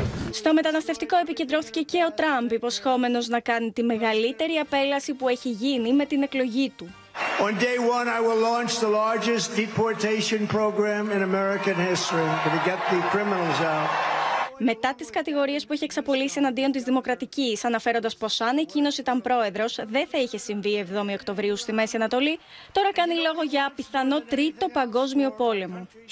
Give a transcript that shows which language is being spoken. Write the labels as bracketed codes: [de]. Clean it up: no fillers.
[el] Στο μεταναστευτικό επικεντρώθηκε και ο Τραμπ, υποσχόμενος να κάνει τη μεγαλύτερη απέλαση που έχει γίνει με την εκλογή του. [en] On day one, I will launch the largest deportation program in American history to get the criminals out. [el] Μετά τις κατηγορίες που έχει εξαπολύσει εναντίον της Δημοκρατικής, αναφέροντας πως αν εκείνος ήταν πρόεδρος, δεν θα είχε συμβεί 7η Οκτωβρίου στη Μέση Ανατολή, τώρα κάνει λόγο για πιθανό τρίτο παγκόσμιο πόλεμο.